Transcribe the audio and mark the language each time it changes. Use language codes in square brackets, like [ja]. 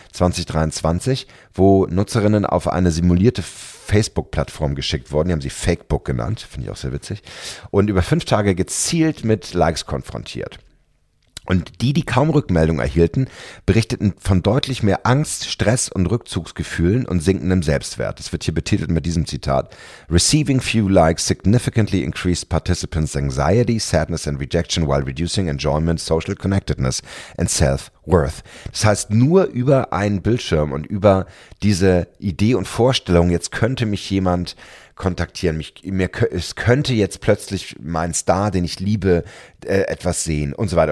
[de] 2023, wo Nutzerinnen auf eine simulierte Facebook-Plattform geschickt wurden. Die haben sie Fakebook genannt, finde ich auch sehr witzig. Und über 5 Tage gezielt mit Likes konfrontiert. Und die kaum Rückmeldung erhielten, berichteten von deutlich mehr Angst, Stress und Rückzugsgefühlen und sinkendem Selbstwert. Das wird hier betitelt mit diesem Zitat. [en] Receiving few likes significantly increased participants' anxiety, sadness and rejection while reducing enjoyment, social connectedness and self-worth. [de] Das heißt, nur über einen Bildschirm und über diese Idee und Vorstellung, jetzt könnte mich jemand kontaktieren, es könnte jetzt plötzlich mein Star, den ich liebe, etwas sehen und so weiter.